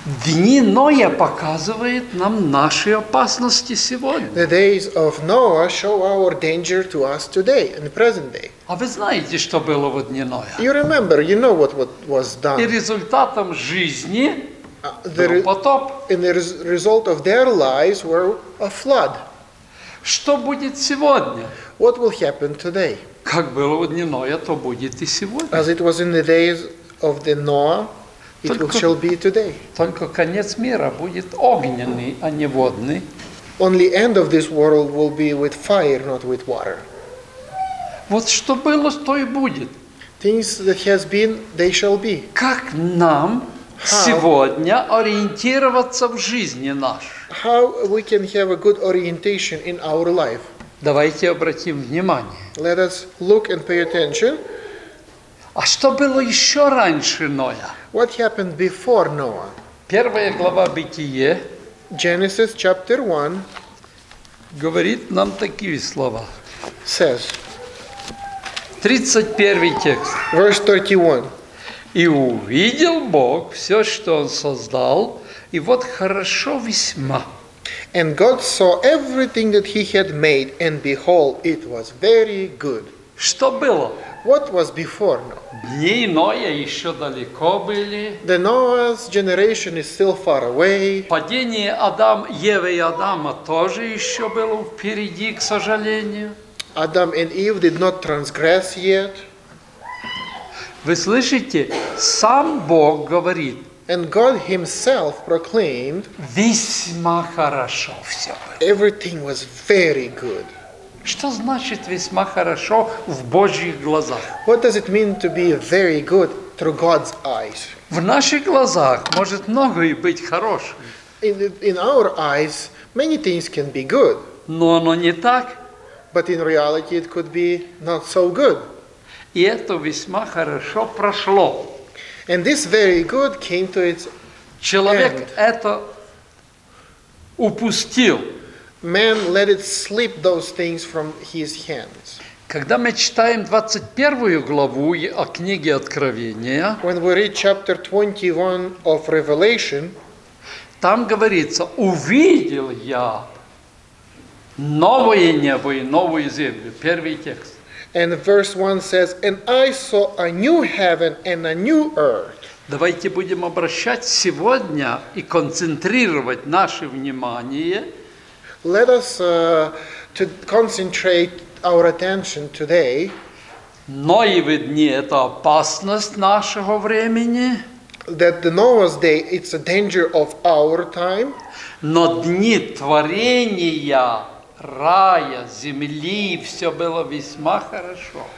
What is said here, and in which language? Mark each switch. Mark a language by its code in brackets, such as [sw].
[ru] Дни Ноя показывают нам наши опасности сегодня. [en] The days of Noah show our danger to us today, in the present day. [ru] А вы знаете, что было в дни Ноя? [en] You remember, you know what was done. [ru] И результатом жизни был потоп. [en] And the result of their lives were a flood. [ru] Что будет сегодня? [en] What will happen today? [ru] Как было в дни Ноя, то будет и сегодня. [en] As it was in the days of the Noah, it will shall be today. [ru] Только конец мира будет огненный, а не водный. [en] Only end of this world will be with fire, not with water. [ru] Вот что было, то и будет. [en] Things that has been, they shall be. [ru] Как нам сегодня ориентироваться в жизни нашей? [en] How we can have a good orientation in our life? [ru] Давайте обратим внимание. [en] Let us look and pay attention. [ru] А что было еще раньше Ноя? [en] What happened before Noah? [ru] Первая глава Бытие, [en] Genesis chapter 1, [ru] говорит нам такие слова. [en] Says. [ru] 31 текст. [en] Verse 31. [ru] И увидел Бог все, что Он создал, и вот хорошо весьма. [en] And God saw everything that He had made, and behold, it was very good. [ru] Что было? [en] What was before Noah? [ru] Дни Ноя еще далеко были. [en] The Noah's generation is still far away. [ru] Падение Адам, Евы и Адама тоже еще было впереди, к сожалению. [en] Adam and Eve did not transgress yet. [ru] Вы слышите? Сам Бог говорит. [en] And God Himself proclaimed. [ru] Весьма хорошо все было. [en] Everything was very good. [ru] Что значит весьма хорошо в Божьих глазах? [en] What does it mean to be very good through God's eyes? [ru] В наших глазах может многое быть хорошим. [en] In our eyes, many things can be good. [ru] Но оно не так. [en] But in reality, it could be not so good. [ru] И это весьма хорошо прошло. [en] And this very good came to its [ru] end. Человек это упустил. [en] Man let it slip those things from his hands. [ru] Когда мы читаем 21 главу о книге Откровения, [en] when we read chapter 21 of Revelation, [ru] там говорится, увидел я новое небо и новую землю. Первый текст. [en] And verse 1 says, and I saw a new heaven and a new earth. [ru] Давайте будем обращать сегодня и концентрировать наше внимание. [en] Let us to concentrate our attention today. [ru] Ноевы дни – это опасность нашего времени. [en] That the Noah's day, it's a danger of our time. [ru] Но дни творения [uk] рая, землі, все було весьма хорошо.